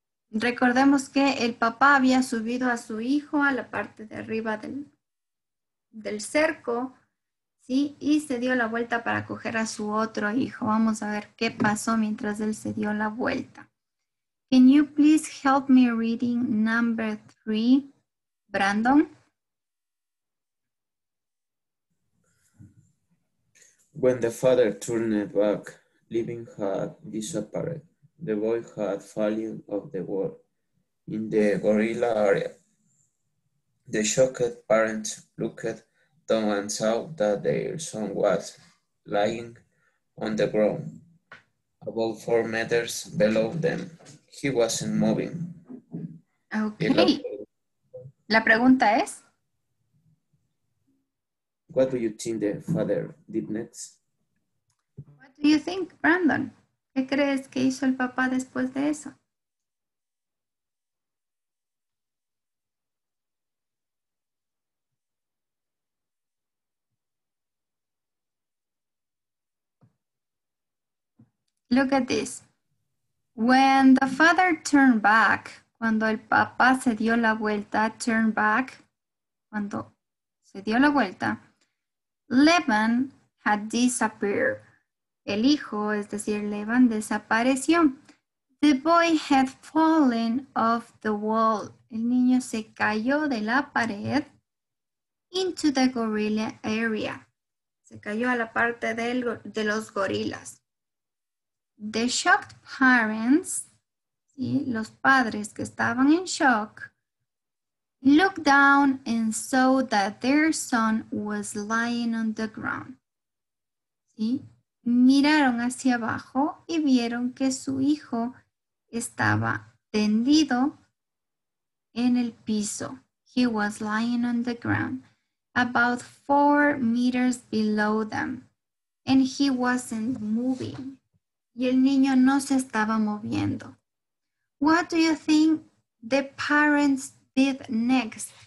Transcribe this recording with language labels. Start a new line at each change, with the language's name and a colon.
Spanish: Recordemos que el papá había subido a su hijo a la parte de arriba del cerco, ¿sí? Y se dio la vuelta para coger a su otro hijo. Vamos a ver qué pasó mientras él se dio la vuelta.
English: Can you please help me reading number three, Brandon? When the father turned back, leaving had disappeared. The boy had fallen off the wall in the gorilla area. The shocked parents looked down and saw that their son was lying on the ground, about 4 meters below them. He wasn't moving.
Spanish: Okay. La pregunta es,
English: what do you think the father did next? What do you think, Brandon?
Spanish: ¿Qué crees que hizo el papá después de eso?
English: Look at this. When the father turned back,
Spanish: cuando el papá se dio la vuelta,
English: turned back,
Spanish: cuando se dio la vuelta,
English: Levan had disappeared.
Spanish: El hijo, es decir, Levan, desapareció.
English: The boy had fallen off the wall.
Spanish: El niño se cayó de la pared
English: into the gorilla area.
Spanish: Se cayó a la parte de los gorilas.
English: The shocked parents, ¿sí?
Spanish: Los padres que estaban en shock,
English: looked down and saw that their son was lying on the ground.
Spanish: ¿Sí? Miraron hacia abajo y vieron que su hijo estaba tendido en el piso.
English: He was lying on the ground, about 4 meters below them, and he wasn't moving.
Spanish: Y el niño no se estaba moviendo.
English: What do you think the parents did next?